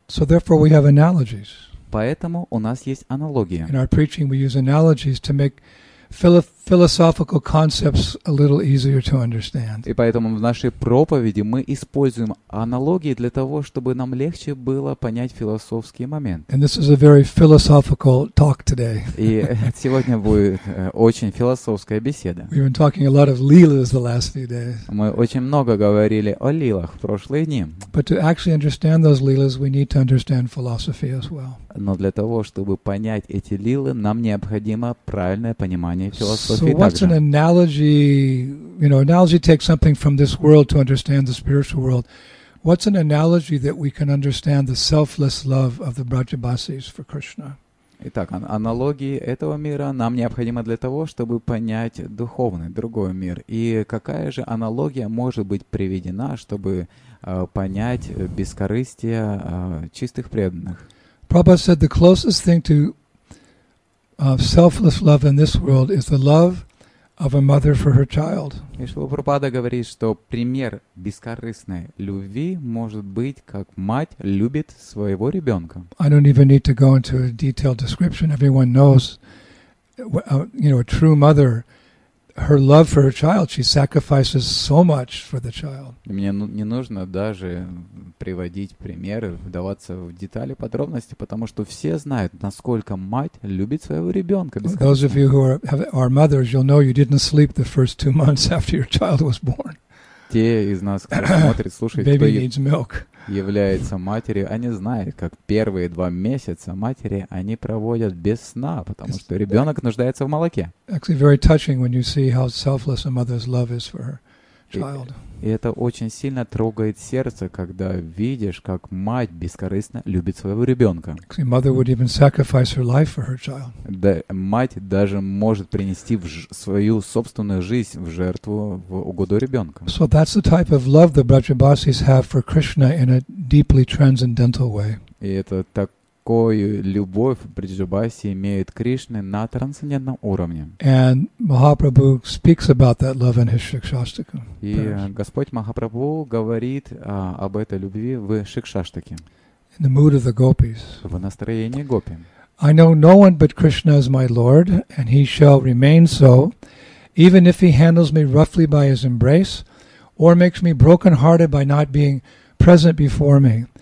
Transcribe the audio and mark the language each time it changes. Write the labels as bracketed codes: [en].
[en] So therefore, we have analogies. [ru] Поэтому у нас есть аналогия. [en] In our preaching, we use analogies to make philosophical concepts a little easier to understand. [ru] И поэтому в нашей проповеди мы используем аналогии для того, чтобы нам легче было понять философские моменты. [en] And this is a very philosophical talk today. [ru] И сегодня будет очень философская беседа. [en] We've been talking a lot of leelas the last few days. [ru] Мы очень много говорили о лилах в прошлые дни. [en] But to actually understand those leelas, we need to understand philosophy as well. [ru] Но для того, чтобы понять эти лилы, нам необходимо правильное понимание. [en] So what's an analogy? You know, analogy takes something from this world to understand the spiritual world. What's an analogy that we can understand the selfless love of the Brajabasis for Krishna? [ru] Итак, аналогии этого мира нам необходимо для того, чтобы понять духовный, другой мир. И какая же аналогия может быть приведена, чтобы понять бескорыстие чистых преданных? [en] Prabhupada said the closest thing to selfless love in this world is the love of a mother for her child. [ru] И Шрила Прабхупада говорит, что пример бескорыстной любви может быть, как мать любит своего ребенка. [en] I don't even need to go into a detailed description. Everyone knows, you know, a true mother, her love for her child, she sacrifices so much for the child. [ru] Мне не нужно даже приводить примеры, вдаваться в детали, подробности, потому что все знают, насколько мать любит своего ребенка. [en] Those of you who are mothers, you'll know you didn't sleep the first 2 months after your child was born. [ru] Те из нас, кто смотрит, слушает, кто [en] needs milk. [ru] Является матерью, они знают, как первые 2 месяца матери они проводят без сна, потому что ребенок нуждается в молоке. [en] Actually, very touching when you see how selfless a mother's love is for her child. [ru] И это очень сильно трогает сердце, когда видишь, как мать бескорыстно любит своего ребенка. [en] Mother would even sacrifice her life for her child. [ru] Да, мать даже может принести свою собственную жизнь в жертву в угоду ребенка. [en] So that's the type of love the Brajabasis have for Krishna in a deeply transcendental way. [ru] И это такую любовь Брджабаси имеет Кришны на трансцендентном уровне. [en] And Mahaprabhu speaks about that love in his Shikshastaka. [ru] И Господь Махапрабху говорит об этой любви в Шикшаштаке. [en] In the mood of the gopis. [ru] В настроении гопи. [en] I know no one but Krishna is my Lord, and he shall remain so, even if he handles me roughly by his embrace, or makes me broken-hearted by not being present before me.